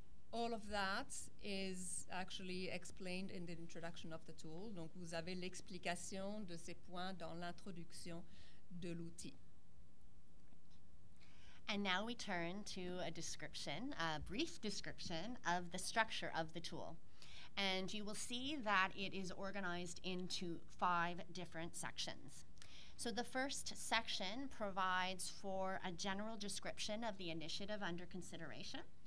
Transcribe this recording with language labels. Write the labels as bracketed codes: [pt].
[en] All of that is actually explained in the introduction of the tool. [fr] Donc, vous avez l'explication de ces points dans l'introduction de l'outil. [en] And now we turn to a description, a brief description of the structure of the tool. And you will see that it is organized into five different sections. So the first section provides for a general description of the initiative under consideration.